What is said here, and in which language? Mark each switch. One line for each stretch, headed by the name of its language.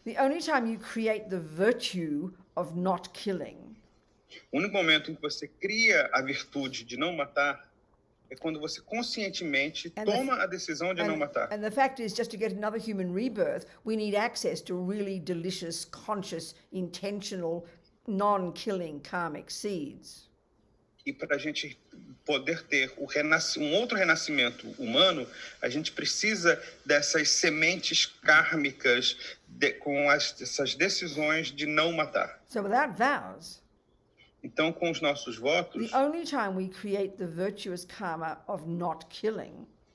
English: the only time you create the virtue of not killing,
Portuguese: o único momento em que você cria a virtude de não matar, É quando você conscientemente toma a decisão de não matar.
English: And the fact is, just to get another human rebirth, we need access to really delicious, conscious, intentional, non-killing karmic seeds.
Portuguese: E para a gente poder ter um outro renascimento humano, a gente precisa dessas sementes kármicas com essas decisões de não matar.
English: So without vows,
Portuguese: então, com os nossos votos,
English: the only time we create the virtuous karma of not killing,